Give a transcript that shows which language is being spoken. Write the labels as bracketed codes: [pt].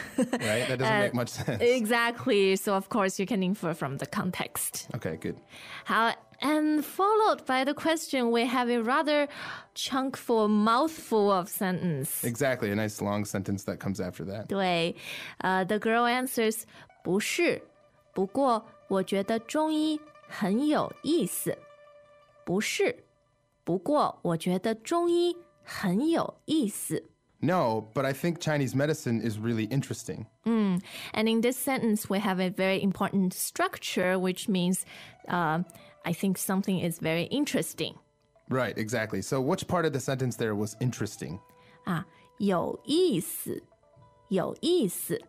[en] Right? That doesn't make much sense. Exactly. So of course you can infer from the context. Okay, good. How, and followed by the question, we have a rather chunkful, mouthful of sentence. Exactly, a nice long sentence that comes after that. [zh] 对, [en] the girl answers, [zh] 不是。不过我觉得中医很有意思。不是。不过我觉得中医很有意思。 [en] No, but I think Chinese medicine is really interesting. And in this sentence, we have a very important structure, which means I think something is very interesting. Right, exactly. So which part of the sentence there was interesting? [zh] 啊,有意思。有意思。